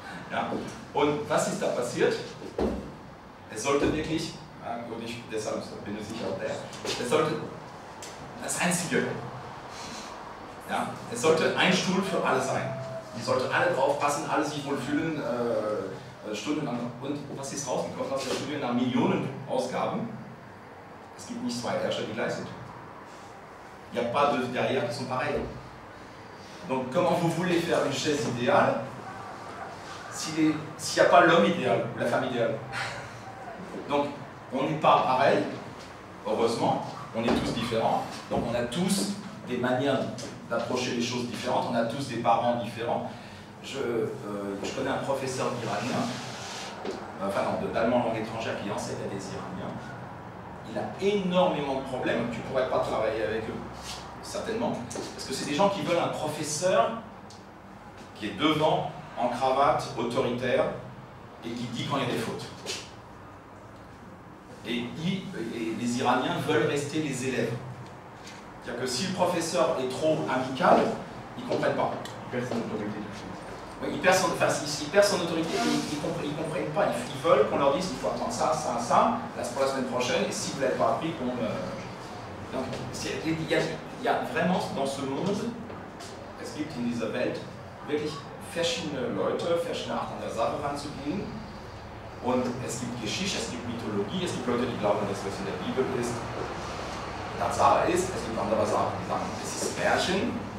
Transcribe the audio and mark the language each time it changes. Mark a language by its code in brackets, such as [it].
[de] Ja. Und was ist da passiert? Es sollte wirklich, und ich, deshalb bin ich sicher auch der, es sollte das Einzige, ja, es sollte ein Stuhl für alle sein. Es sollte alle drauf passen, alle sich wohlfühlen, stundenlang. Und was ist rausgekommen aus der Studie nach Millionen Ausgaben? Es gibt nicht zwei Herrscher, die gleich sind. [fr] Il n'y a pas de derrière qui sont pareils. Donc, comment vous voulez faire une chaise idéale s'il n'y a pas l'homme idéal ou la femme idéale? Donc, on n'est pas pareil, heureusement, on est tous différents. Donc, on a tous des manières d'approcher les choses différentes, on a tous des parents différents. Je connais un professeur iranien, enfin non, d'allemand langue étrangère qui enseigne à des Iraniens. Il a énormément de problèmes, tu ne pourrais pas travailler avec eux, certainement. Parce que c'est des gens qui veulent un professeur qui est devant, en cravate, autoritaire, et qui dit quand il y a des fautes. Et les Iraniens veulent rester les élèves. C'est-à-dire que si le professeur est trop amical, ils ne comprennent pas. Ils perdent son autorité. Oui, ils perdent son autorité, ils ne comprennent pas. Ils veulent qu'on leur dise qu'il faut attendre ça, ça, ça, pour la semaine prochaine, et si vous ne l'avez pas appris, qu'on... Donc, il y a vraiment dans ce monde, [de] es gibt in dieser Welt, wirklich verschiedene Leute, verschiedene Arten der Sache ranzugehen. Und es gibt Geschichte, es gibt Mythologie, es gibt Leute, die glauben, dass das in der Bibel ist, Tatsache ist, es gibt andere Sachen, die sagen, es ist Märchen.